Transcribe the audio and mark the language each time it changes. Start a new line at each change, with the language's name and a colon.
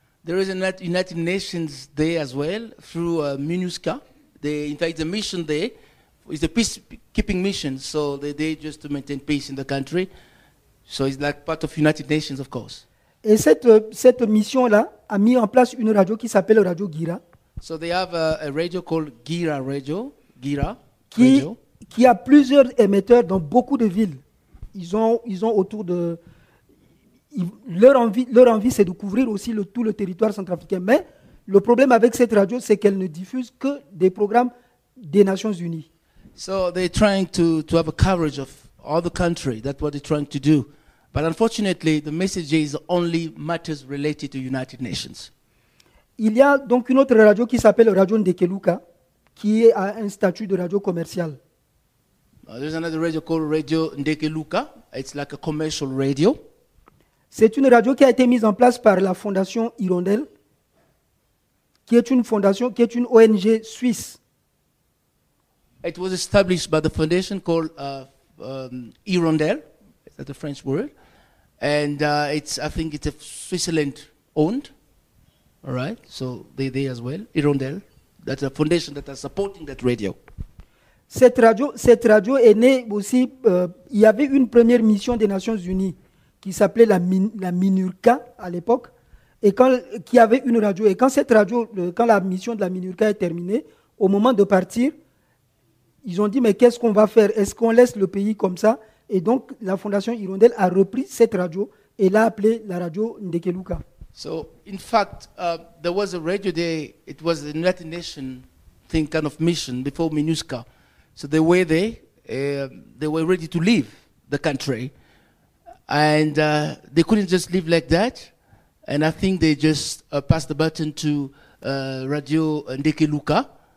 English: There is a United Nations there as well through MINUSCA. In fact, the mission there is a peacekeeping mission. So they're there just to maintain peace in the country. So it's like part of United Nations, of course.
French: Et cette mission-là a mis en place une radio qui s'appelle Radio Gira.
English: So they have a radio called Gira Radio. Gira
French: qui, Radio. Qui a plusieurs émetteurs dans beaucoup de villes. Ils ont autour de... Leur envie, c'est de couvrir aussi tout le territoire centrafricain. Mais Le problème avec cette radio, c'est qu'elle ne diffuse que des programmes des Nations Unies.
English: So they're trying to have a coverage of all the country. That's what they're trying to do. But unfortunately, the message is only matters related to United Nations.
French: Il y a donc une autre radio qui s'appelle Radio Ndekeluka, qui est à un statut de radio commercial.
English: There's another radio called Radio Ndekeluka. It's like a commercial radio.
French: C'est une radio qui a été mise en place par la Fondation Hirondelle, qui est une fondation, qui est une ONG suisse.
English: It was established by the foundation called Hirondelle. Is that a French word? And it's a Switzerland owned. All right. So they're there as well. Hirondelle. That's a foundation that is supporting that radio.
French: Cette radio est née aussi. Il y avait une première mission des Nations Unies qui s'appelait la MINURCA à l'époque, et qui avait une radio. Et quand la mission de la MINURCA est terminée, au moment de partir, ils ont dit, mais qu'est-ce qu'on va faire? Est-ce qu'on laisse le pays comme ça? Et donc, la Fondation Hirondelle a repris cette radio et l'a appelée la radio Ndekeluka.
English: So, in fact, there was a radio there. It was a United Nations thing, kind of mission, before MINUSCA. So they were there. They were ready to leave the country. And they couldn't just leave like that. And I think they just passed the button to Radio Ndekeluka.